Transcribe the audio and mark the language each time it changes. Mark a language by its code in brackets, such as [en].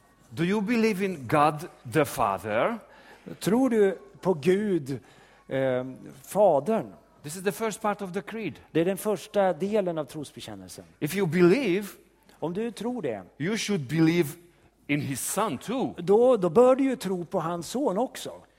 [en] Do you believe in God the Father? [sv] Tror du på Gud fadern? [en] This is the first part of the creed. [sv] Det är den första delen av trosbekännelsen. [en] If you believe, [sv] om du tror det, [en] you should believe in his son too. [sv] Då bör du ju tro på hans son också.